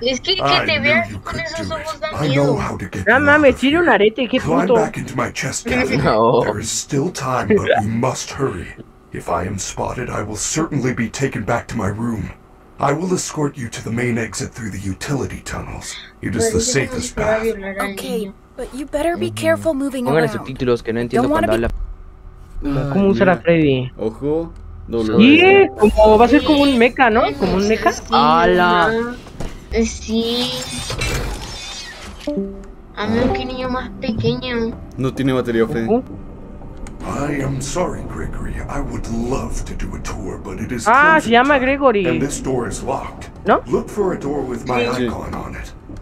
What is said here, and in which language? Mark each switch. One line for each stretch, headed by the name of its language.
Spanish: Es que te vea con esos ojos da miedo. No mames, tiene un arete, qué puto. No.
English: There is still time, but we must hurry. If I am spotted, I will certainly be taken back to my room. I will escort you to the main exit through the utility tunnels. It is the safest path. Okay, but you better be careful moving
Spanish: Pongan
English: around.
Spanish: Subtítulos que no entiendo cuando habla. ¿Cómo usar a Freddy? Ojo. Y como va a ser como un meca, ¿no? Como un meca. ¡Hala! Sí. A mí un niño más pequeño. No tiene batería, Freddy.
English: I am sorry, Gregory. I would love to do a tour, but it is
Spanish: Ah, se llama
English: closing time, Gregory. and this door is locked.
Spanish: ¿No?
English: Look for a door with my icon on it.